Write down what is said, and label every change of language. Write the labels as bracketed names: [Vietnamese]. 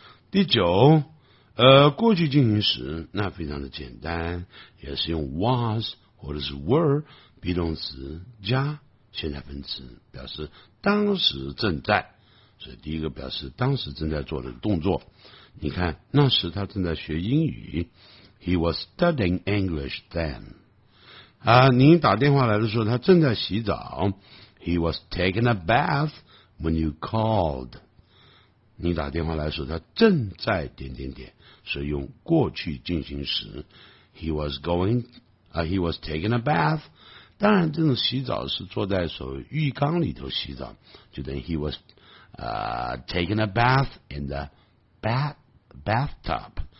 [Chinese] 第九，过去进行时，那非常的简单，也是用 was 或者是 were be 动词加现在分词，表示当时正在。所以第一个表示当时正在做的动作。你看，那时他正在学英语。 [English] He was studying English then. [Chinese] 啊，您打电话来的时候，他正在洗澡。 [English] He was taking a bath when you called. [Chinese] 你打电话来的时候，他正在点点点，所以用过去进行时。 [English] He was going, he was taking a bath. [Chinese] 当然这种洗澡是坐在所谓浴缸里头洗澡，就等于 [English] he was taking a bath in the bathtub.